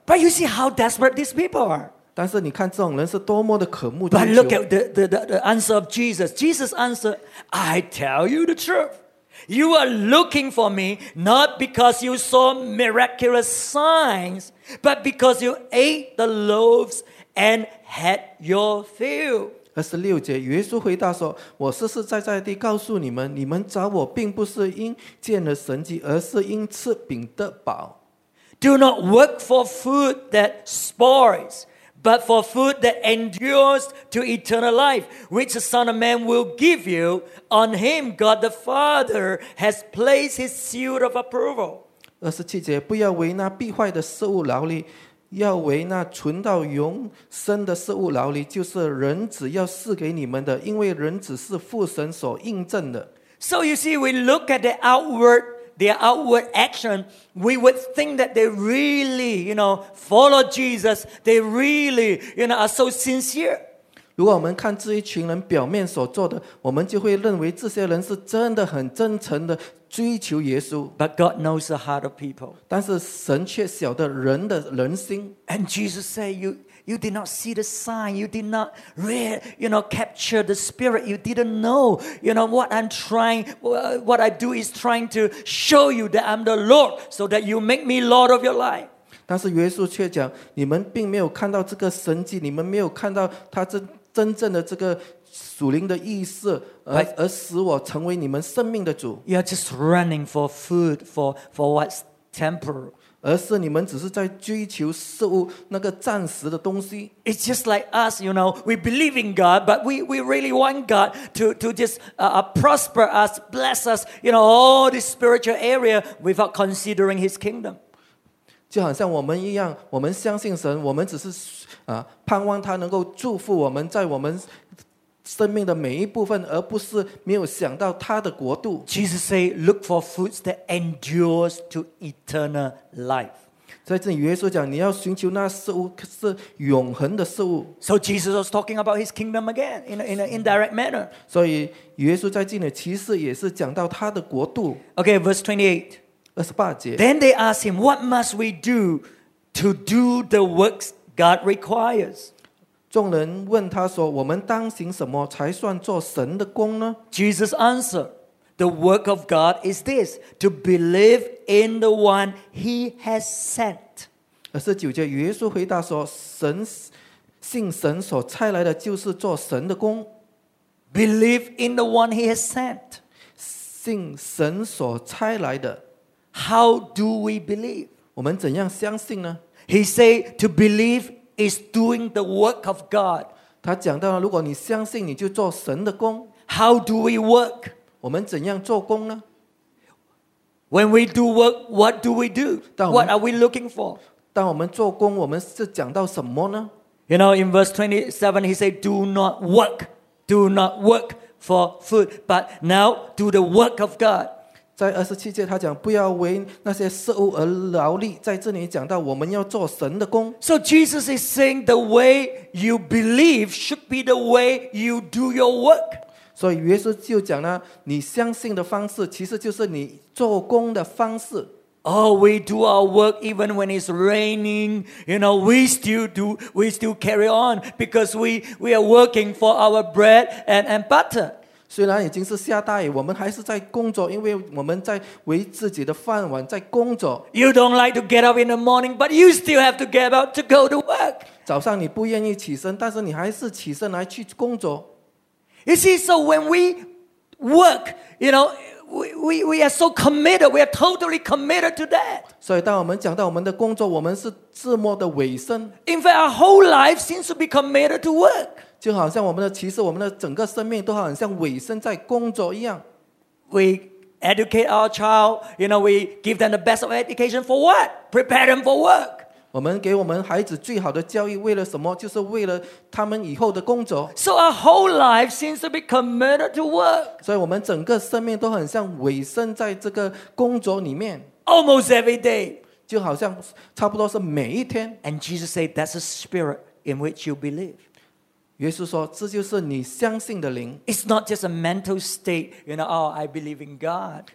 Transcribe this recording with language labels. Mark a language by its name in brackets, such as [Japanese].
[English] But you see how desperate these people are. [Chinese] 但是你看这种人是多么的渴慕追求。 [English] But look at the answer of Jesus. Jesus answered, I tell you the truth. You are looking for me not because you saw miraculous signs, but because you ate the loaves and had your fill. [Chinese] 二十六节，耶稣回答说：“我实实在在地告诉你们，你们找我并不是因见了神迹，而是因吃饼得饱。 [English] Do not work for food that spoils, but for food that endures to eternal life, which the Son of Man will give you.” On him, God the Father has placed his seal of approval. [Chinese] 二十七节，不要为那必坏的事物劳力，要为那存到永生的事物劳力，就是人子要赐给你们的，因为人子是父神所印证的。 [English] So you see, we look at their outward action, we would think that they really, you know, follow Jesus. They really, you know, are so sincere. [Chinese] 如果我们看这一群人表面所做的，我们就会认为这些人是真的很真诚的追求耶稣。 [English] But God knows the heart of people. [Chinese] 但是神却晓得人的人心。 [English] And Jesus said, you did not see the sign, you did not read, you know, capture the spirit, you didn't know, you know, what I'm trying, what I do is trying to show you that I'm the Lord, so that you make me Lord of your life. [Chinese] 但是耶稣却讲，你们并没有看到这个神迹，你们没有看到他这。真正的这个属灵的意思 而使我成为你们生命的主。 [English] You are just running for food, for what's temporal. [Chinese] 而是你们只是在追求事物那个暂时的东西。 [English] It's just like us, you know, we believe in God, but we really want God to just prosper us, bless us, you know, all this spiritual area without considering his kingdom. [Chinese] 就好像我们一样，我们相信神，我们只是盼望他能够祝福我们在我们生命的每一部分，而不是没有想到他的国度。 [English] Jesus say, look for foods that endures to eternal life. [Chinese] 在这里耶稣讲，你要寻求那事物是永恒的事物。 [English] So Jesus was talking about his kingdom again in an indirect manner. [Chinese] 所以耶稣在这里其实也是讲到他的国度。 [English] Okay, verse 28. Then they asked him, "What must we do to do the works God requires?" [Chinese] 众人问他说，我们当行什么才算做神的工呢？ [English] Jesus answered, The work of God is this, to believe in the one he has sent. [Chinese] 29节耶稣回答说，神信神所差来的就是做神的工。 [English] Believe in the one he has sent. [Chinese] 信神所差来的。 [English] How do we believe? [Chinese] 我们怎样相信呢？ [English] He said to believe is doing the work of God. [Chinese] 他讲到了，如果你相信，你就做神的工。 [English] How do we work? [Chinese] 我们怎样做工呢？ [English] When we do work, what do we do? What are we looking for? [Chinese] 当我们做工，我们是讲到什么呢？ [English] You know, in verse 27, he said, do not work for food, but now do the work of God. [Chinese] 在27节他讲不要为那些食物而劳力，在这里讲到我们要做神的工。 [English] So Jesus is saying the way you believe should be the way you do your work. [Chinese] 所以耶稣就讲了，你相信的方式其实就是你做工的方式。 [English] Oh, we do our work even when it's raining. You know, we still carry on because we are working for our bread and butter. [Chinese] 虽然已经是下大雨，我们还是在工作，因为我们在为自己的饭碗在工作。 [English] You don't like to get up in the morning, but you still have to get up to go to work. [Chinese] 早上你不愿意起身，但是你还是起身来去工作。 [English] You see, so when we work, you know,We are so committed. We are totally committed to that. [Chinese] 所以当我们讲到我们的工作，我们是自摸的尾声。 [English] In fact, our whole life seems to be committed to work. [Chinese] 就好像我们的其实我们的整个生命都好像尾声在工作一样。 [English] We educate our child. You know, we give them the best of education for what? Prepare them for work. [Chinese] 我们给我们孩子最好的教育，为了什么？就是为了他们以后的工作。 [English] So our whole life seems to be committed to work. [Chinese] 所以我们整个生命都很像委身在这个工作里面。 [English] Almost every day. [Chinese] 就好像差不多是每一天。 [English] And Jesus said, that's the spirit in which you believe. [Chinese] 耶稣说，这就是你相信的灵。 [English] It's not just a mental state, you know, oh, I believe in God.